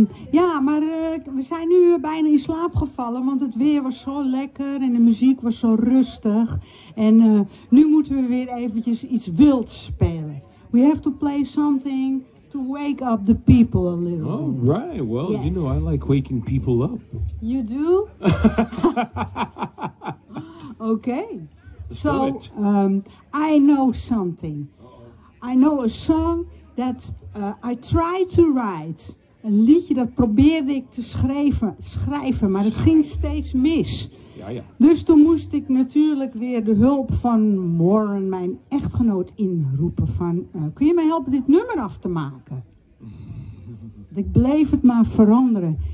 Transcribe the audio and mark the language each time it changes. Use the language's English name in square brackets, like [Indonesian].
[Dutch] Ja, maar we zijn nu bijna in slaap gevallen, want het weer was zo lekker en de muziek was zo rustig. En nu moeten we weer eventjes iets wilds spelen. [English] We have to play something to wake up the people a little bit. Oh, right. Well, yes. You know, I like waking people up. You do? Okay. So, I know something. I know a song that I try to write. [Dutch] Een liedje dat probeerde ik te schrijven, maar het ging steeds mis. Ja, ja. Dus toen moest ik natuurlijk weer de hulp van Warren, mijn echtgenoot, inroepen. Van, kun je mij helpen dit nummer af te maken? Want ik bleef het maar veranderen.